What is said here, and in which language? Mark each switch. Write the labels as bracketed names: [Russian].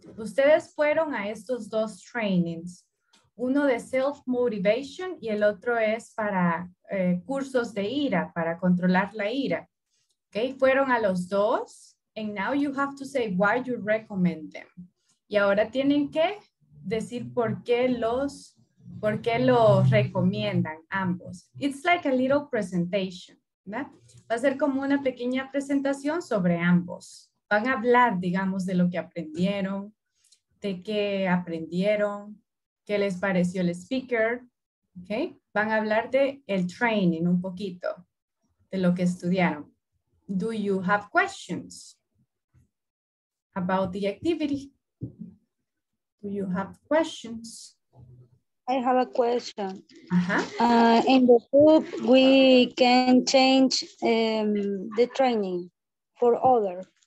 [Spanish] Ustedes fueron a estos 2 trainings, uno de self-motivation y el otro es para cursos de ira, para controlar la ira, okay? Fueron a los 2. [English] And now you have to say why you recommend them. [Spanish] Y ahora tienen que decir por qué los recomiendan ambos. [English] It's like a little presentation, [Spanish] ¿verdad? Va a ser como una pequeña presentación sobre ambos. Van a hablar, digamos, de lo que aprendieron, de qué aprendieron, qué les pareció el speaker, ¿okay? Van a hablar de el training un poquito, de lo que estudiaron. [English] Do you have questions about the activity? Do you have questions? I have a question. Uh-huh. In the group, we can change the training for other.